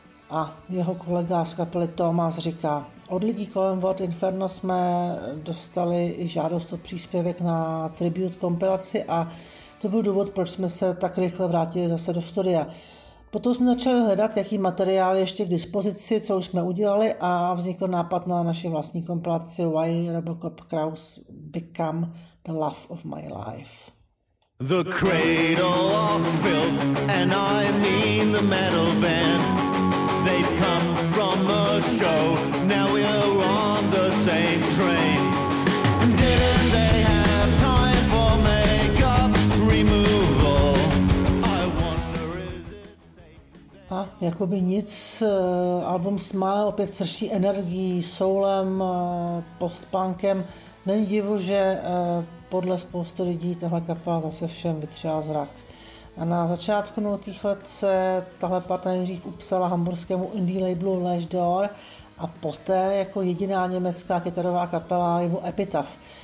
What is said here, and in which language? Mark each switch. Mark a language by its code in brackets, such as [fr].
[cs] A jeho kolega z kapely Tomáš říká: "Od lidí kolem World Inferno jsme dostali i žádost o příspěvek na tribute kompilaci a to byl důvod, proč jsme se tak rychle vrátili zase do studia. Potom jsme začali hledat, jaký materiál je ještě k dispozici, co už jsme udělali, a vznikl nápad na naši vlastní kompilaci Why Robocop Kraus Become the Love of My Life. [en] The cradle of filth, and I mean the metal band. They've come from a show, now we're on the same train. Didn't they have time for makeup removal? I wonder is it safe..." [cs] A jakoby nic, album Smile opět srší energií, soulem, postpunkem. Není divu, že podle spousty lidí tahle kapela zase všem vytřela zrak. A na začátku nutých let se tahle parta nejdřív upsala hamburskému indie labelu Lash Door a poté jako jediná německá kytarová kapela labelu Epitaph.